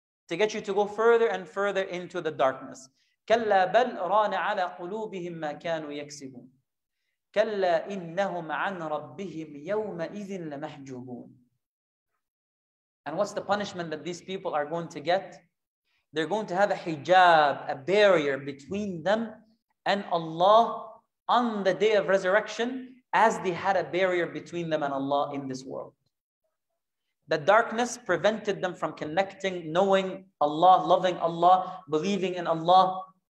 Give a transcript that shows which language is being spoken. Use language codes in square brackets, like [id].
[en] to get you to go further and further into the darkness. [ar] كلا بل ران على قلوبهم ما كانوا يكسبون كلا إنهم عن ربهم يومئذ لمحجوبون. [en] And what's the punishment that these people are going to get? They're going to have a hijab, a barrier between them and Allah on the day of resurrection, as they had a barrier between them and Allah in this world. The darkness prevented them from connecting, knowing Allah, loving Allah, believing in Allah.